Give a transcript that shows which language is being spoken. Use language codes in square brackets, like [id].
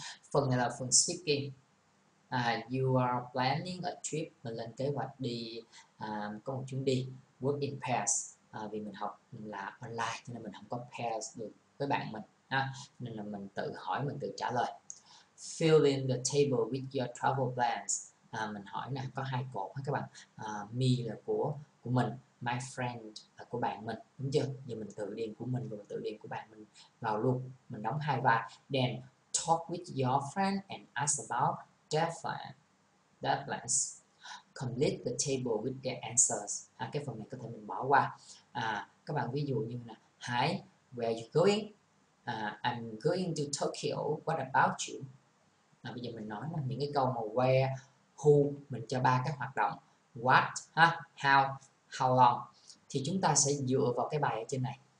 [vi] Phần này là phần speaking. [en] You are planning a trip. [vi] Mình lên kế hoạch đi, có một chuyến đi. [en] Work in pairs. [vi] Vì mình học là online cho nên mình không có pairs được với bạn mình ha. Nên là mình tự hỏi, mình tự trả lời. [en] Fill in the table with your travel plans. [vi] Mình hỏi nè, có hai cột ha các bạn. Me là của mình, my friend là của bạn mình, đúng chưa? Giờ mình tự điền của mình và mình tự điền của bạn mình vào luôn. Mình đóng hai vai. [en] Then talk with your friend and ask about their plans. Complete the table with their answers. [vi] Cái phần này có thể mình bỏ qua. Các bạn ví dụ như là [en] Hi, where are you going? I'm going to Tokyo. What about you? [vi] Bây giờ mình nói là những cái câu mà where, who, mình cho ba cái hoạt động. What, how, how long. Thì chúng ta sẽ dựa vào cái bài ở trên này.